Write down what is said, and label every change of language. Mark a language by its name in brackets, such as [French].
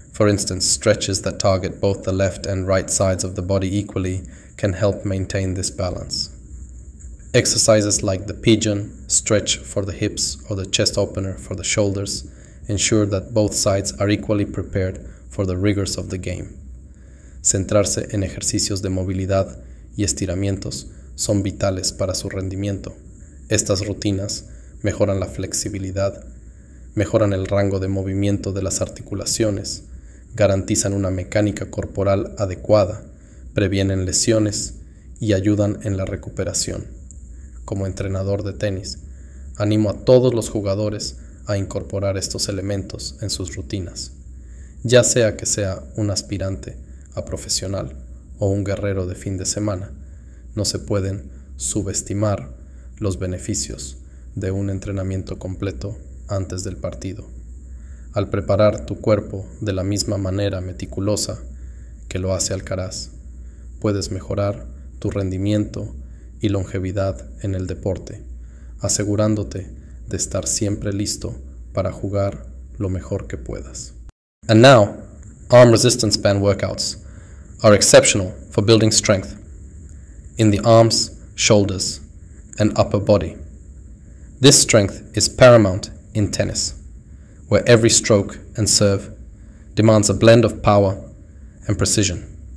[English] For instance, stretches that target both the left and right sides of the body equally can help maintain this balance. Exercises like the pigeon stretch for the hips or the chest opener for the shoulders ensure that both sides are equally prepared for the rigors of the game. [Spanish] Centrarse en ejercicios de movilidad y estiramientos son vitales para su rendimiento. Estas rutinas mejoran la flexibilidad, mejoran el rango de movimiento de las articulaciones, garantizan una mecánica corporal adecuada, previenen lesiones y ayudan en la recuperación. Como entrenador de tenis, animo a todos los jugadores a incorporar estos elementos en sus rutinas, ya sea que sea un aspirante a profesional o un guerrero de fin de semana. No se pueden subestimar los beneficios de un entrenamiento completo antes del partido. Al preparar tu cuerpo de la misma manera meticulosa que lo hace Alcaraz, puedes mejorar tu rendimiento y longevidad en el deporte, asegurándote de estar siempre listo para jugar lo mejor que puedas. [English] And now, arm resistance band workouts are exceptional for building strength in the arms, shoulders, and upper body. This strength is paramount in tennis, where every stroke and serve demands a blend of power and precision.